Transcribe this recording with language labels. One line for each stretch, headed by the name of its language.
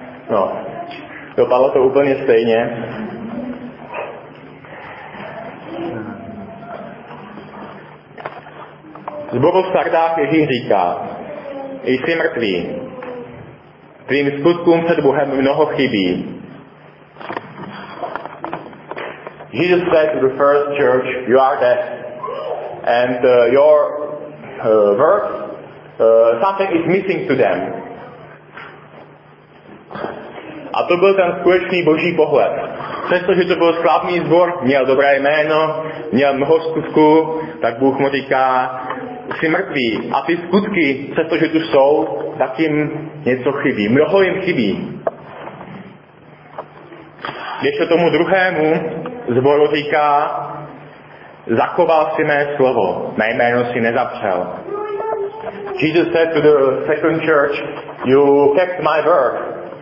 Czech: No, dopadlo to úplně stejně. Zboru v Sardách Ježíš říká, jsi mrtvý, tvým skutkům před Bohem mnoho chybí.
English: Jesus said to the first church, you are dead, and your work, something is missing to them.
Czech: A to byl ten skutečný boží pohled. Přestože to byl slavný zbor, měl dobré jméno, měl mnoho skutků, tak Bůh mu říká, jsi mrtvý a ty skutky, přestože tu jsou, tak jim něco chybí. Mnoho jim chybí. Ještě tomu druhému zboru říká, zachoval si mé slovo, mé jméno si nezapřel.
English: Jesus said to the second church, you kept my word.